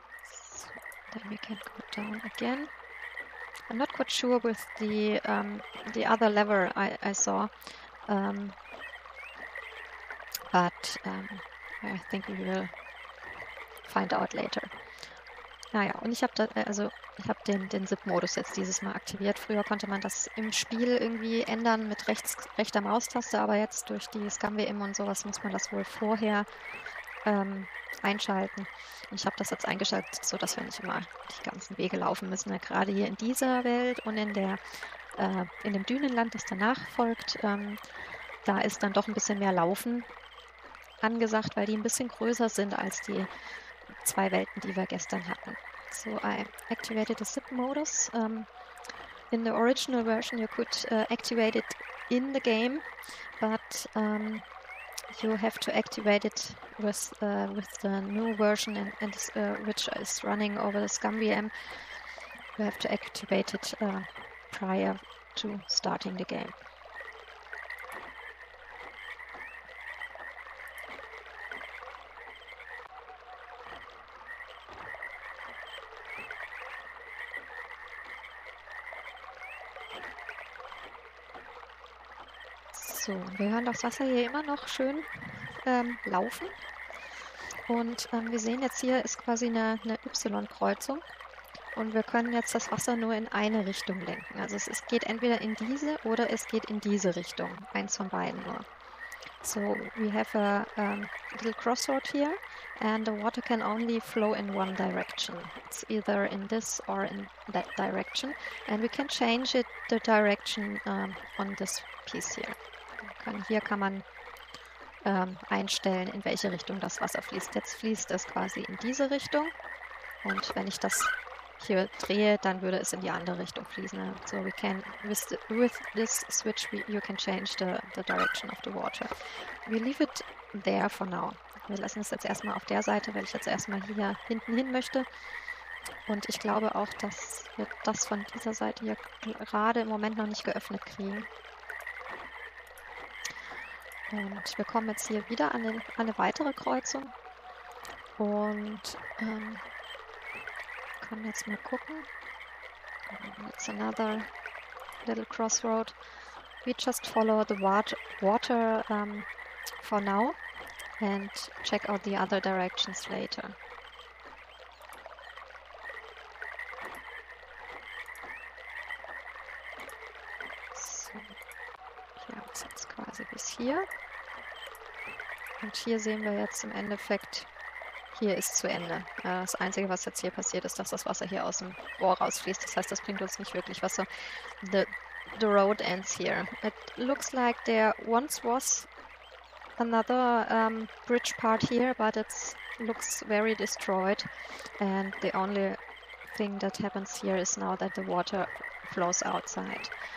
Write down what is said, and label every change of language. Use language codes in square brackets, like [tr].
[en] So, then we can go down again. I'm not quite sure with the other lever I saw, but I think we will find out later. [de] Naja, und ich habe da, also ich habe den SIP-Modus jetzt dieses Mal aktiviert. Früher konnte man das im Spiel irgendwie ändern mit rechter Maustaste, aber jetzt durch die Scum-WM und sowas muss man das wohl vorher einschalten. Und ich habe das jetzt eingeschaltet, sodass wir nicht immer die ganzen Wege laufen müssen. Ja, gerade hier in dieser Welt und in dem Dünenland, das danach folgt, da ist dann doch ein bisschen mehr Laufen angesagt, weil die ein bisschen größer sind als die zwei Welten, die wir gestern hatten. [en] So, I activated the SIP modus. In the original version, you could activate it in the game, but you have to activate it with the new version which is running over the ScumVM. You have to activate it prior to starting the game. [de] So, wir hören das Wasser hier immer noch schön laufen. Und wir sehen jetzt hier ist quasi eine Y-Kreuzung. Und wir können jetzt das Wasser nur in eine Richtung lenken. Also es geht entweder in diese oder es geht in diese Richtung. Eins von beiden nur. [en] So, we have a little crossroad here. And the water can only flow in one direction. It's either in this or in that direction. And we can change it the direction on this piece here. [de] Hier kann man einstellen, in welche Richtung das Wasser fließt. Jetzt fließt es quasi in diese Richtung. Und wenn ich das hier drehe, dann würde es in die andere Richtung fließen. [en] So, we can with this switch, you can change the direction of the water. We leave it there for now. [de] Wir lassen es jetzt erstmal auf der Seite, weil ich jetzt erstmal hier hinten hin möchte. Und ich glaube auch, dass wir das von dieser Seite hier gerade im Moment noch nicht geöffnet kriegen. Und wir kommen jetzt hier wieder an eine weitere Kreuzung und können jetzt mal gucken. [en] It's another little crossroad. We just follow the water for now and check out the other directions later. [de] Hier ist jetzt quasi bis hier. Und hier sehen wir jetzt im Endeffekt, hier ist zu Ende. Das Einzige, was jetzt hier passiert, ist, dass das Wasser hier aus dem Rohr rausfließt. Das heißt, das bringt uns nicht wirklich Wasser. [en] The road ends here. It looks like there once was another bridge part here, but it looks very destroyed. And the only thing that happens here is now that the water flows outside.